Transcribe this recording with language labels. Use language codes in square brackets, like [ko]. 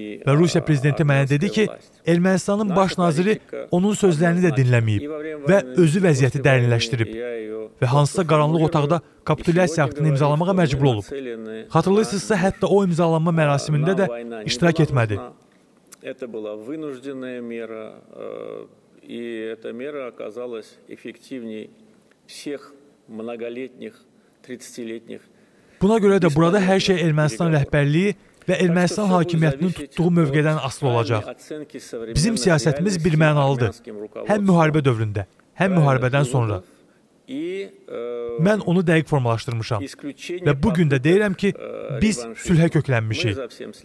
[az] Və Rusiya prezidenti mənə dedi ki, Ermənistanın baş naziri onun sözlərini də dinləməyib və özü vəziyyəti dərinləşdirib və hansısa qaranlıq otaqda kapitulyasiya aktını imzalamağa məcbur olub. Xatırlayırsınızsa, hətta o imzalanma mərasimində də iştirak etmədi. [ru] Это была вынужденная мера, и эта мера оказалась эффективнее всех многолетних 30-летних. [az] Buna görə də burada hər şey Ermənistan rəhbərliyi və Ermənistan hakimiyyətinin tutduğu mövqədən asılı olacaq. Bizim siyasətimiz bir mənalıdır. Həm müharibə dövründə, həm müharibədən sonra. Mən onu dəqiq formalaşdırmışam və bu gün də deyirəm ki, biz sülhə köklənmişik.